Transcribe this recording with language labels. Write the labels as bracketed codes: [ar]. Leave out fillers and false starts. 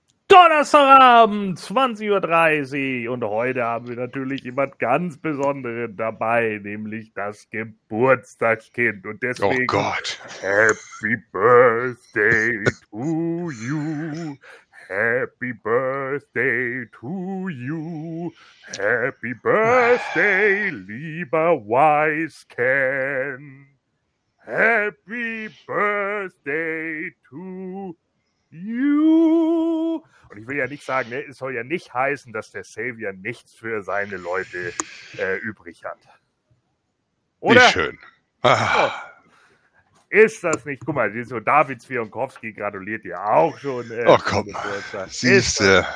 [de] Silvesterabend, 20.30 Uhr und heute haben wir natürlich jemand ganz Besonderen dabei, nämlich das Geburtstagskind. Und deswegen, oh Gott. [en] Happy Birthday to you, Happy Birthday to you, Happy Birthday, lieber Wise Ken, Happy Birthday to you. [de] Und ich will ja nicht sagen, ne, es soll ja nicht heißen, dass der Savior nichts für seine Leute übrig hat. Oder? Wie schön. Ist das nicht? Guck mal, so David Zwionkowski gratuliert dir auch schon. Oh, komm. Siehst du.